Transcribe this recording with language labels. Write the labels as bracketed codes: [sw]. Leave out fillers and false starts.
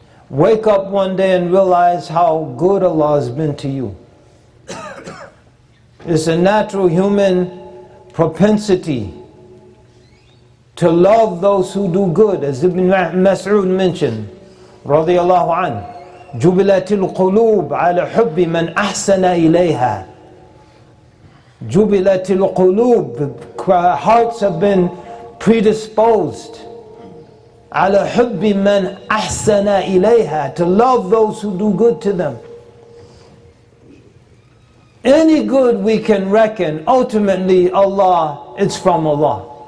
[en] Wake up one day and realize how good Allah has been to you. It's a natural human propensity to love those who do good, as Ibn Mas'ud mentioned. [ar] رضي الله عنه جبلت القلوب على حب من أحسن إليها. جبلت القلوب, [en] hearts have been predisposed [ar] على حب من أحسن إليها, [en] to love those who do good to them. Any good we can reckon, ultimately Allah, it's from Allah.